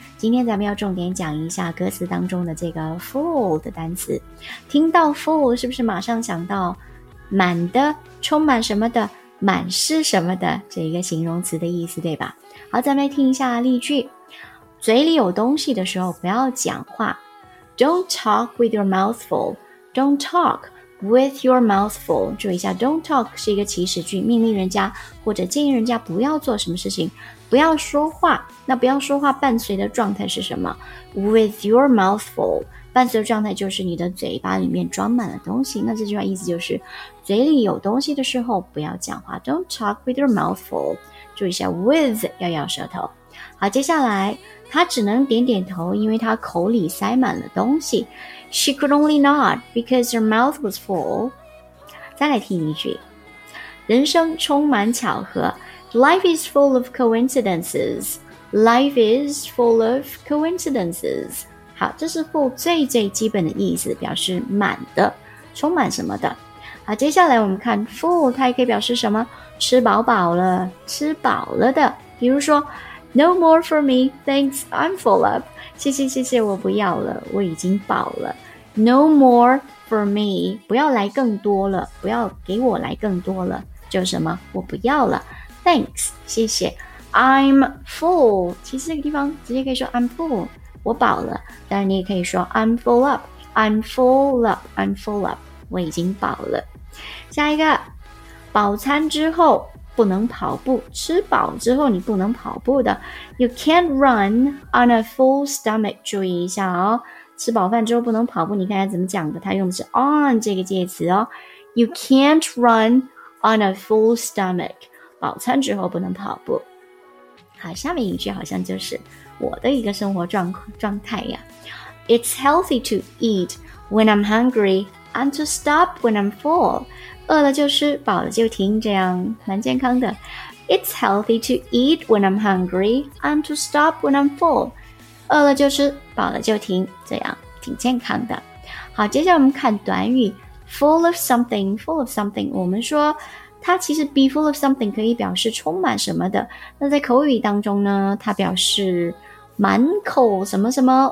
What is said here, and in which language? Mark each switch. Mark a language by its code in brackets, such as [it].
[zh] 今天咱们要重点讲一下歌词当中的这个 full 的单词，听到 full 是不是马上想到满的，充满什么的，满是什么的，这一个形容词的意思，对吧？好，咱们来听一下例句。嘴里有东西的时候不要讲话， [en] Don't talk with your mouth full， [zh] Don't talk with your mouth full。注意一下， [en] Don't talk [zh] 是一个祈使句，命令人家或者建议人家不要做什么事情，不要说话。那不要说话伴随的状态是什么？ [en] With your mouth full， [zh] 伴随的状态就是你的嘴巴里面装满了东西。那这句话意思就是嘴里有东西的时候不要讲话， [en] Don't talk with your mouth full。 [zh] 注意一下 with 要咬舌头。好，接下来他只能点点头，因为他口里塞满了东西。 [en] She could only nod because her mouth was full。 [zh] 再来听一句，人生充满巧合， [en] Life is full of coincidences， [zh] Life is full of coincidences。好，这是 full 最最基本的意思，表示满的，充满什么的。好，接下来我们看 full 它也可以表示什么，吃饱饱了，吃饱了的。比如说 [en] No more for me, thanks, I'm full up. [zh] 谢谢谢谢，我不要了，我已经饱了。 [en] No more for me, [zh] 不要来更多了，不要给我来更多了，就什么，我不要了。 [en] Thanks, [zh] 谢谢。 [en] I'm full, [zh] 其实这个地方直接可以说 [en] I'm full, [zh] 我饱了。当然你也可以说 [en] I'm full up, I'm full up, [zh] I'm full up, 我已经饱了。下一个，饱餐之后不能跑步，吃饱之后你不能跑步的。 [en] You can't run on a full stomach。 [zh] 注意一下哦，吃饱饭之后不能跑步，你看他怎么讲的，他用的是 on 这个介词哦。 [en] You can't run on a full stomach， [zh] 饱餐之后不能跑步。好，下面一句好像就是我的一个生活状态呀。 [en] It's healthy to eat when I'm hungry and to stop when I'm full。 [zh] 饿了就吃，饱了就停，这样蛮健康的。 [en] It's healthy to eat when I'm hungry and to stop when I'm full。 [zh] 饿了就吃，饱了就停，这样挺健康的。好，接下来我们看短语 full of something。full of something 我们说它其实 be full of something 可以表示充满什么的，那在口语当中呢，它表示满口什么什么。